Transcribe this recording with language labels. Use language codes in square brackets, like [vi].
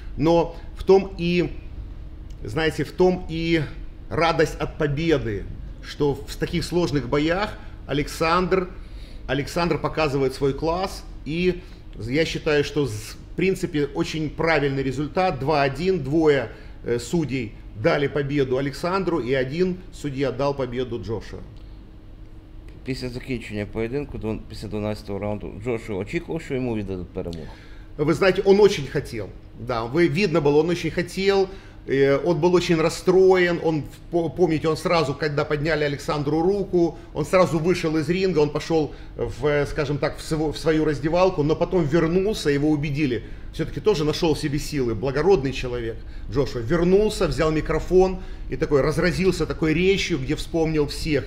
[ru] Но в том и, знаете, в том и радость от победы, что в таких сложных боях Александр показывает свой класс. И я считаю, что в принципе очень правильный результат. 2-1, двое судей дали победу Александру и один судья дал победу Джошуа. [uk] Після закінчення поєдинку, після 12-го раунду, Джошуа очікував, що йому віддадуть перемогу? Ви знаєте, він дуже хотів. Да, видно було, він дуже хотів. [ru] Он был очень расстроен, он, помните, он сразу, когда подняли Александру руку, он сразу вышел из ринга, он пошел, скажем так, в свою раздевалку, но потом вернулся, его убедили. Все-таки тоже нашел в себе силы, благородный человек Джошуа. Вернулся, взял микрофон и такой разразился такой речью, где вспомнил всех.